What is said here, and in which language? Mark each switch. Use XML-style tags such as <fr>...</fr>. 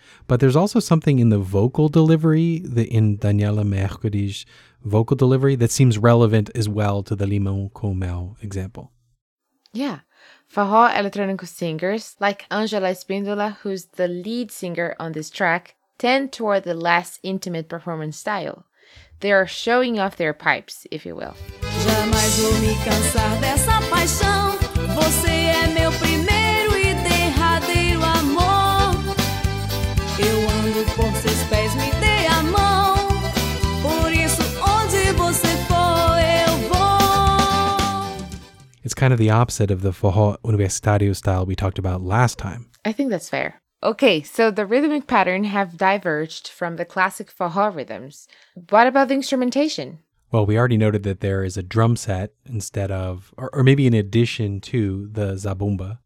<en>But there's also something in the vocal delivery, in Daniela Mercury's vocal delivery, that seems relevant as well to the Limão com Mel example. Yeah. Forró eletrônico singers, like Angela Espíndola, who's the lead singer on this track, tend toward the less intimate performance style. They are showing off their pipes, if you will.</en> <pt>Jamais vou me cansar dessa paixão. Você é meu primeiro e derradeiro amor. Eu ando por seus pés, me dê a mão. Por isso, onde você for, eu vou.</pt> <en>It's kind of the opposite of the forró universitário style we talked about last time. I think that's fair. Okay, so the rhythmic pattern have diverged from the classic forró rhythms. What about the instrumentation? Well, we already noted that there is a drum set instead of, or maybe in addition to, the zabumba.</en>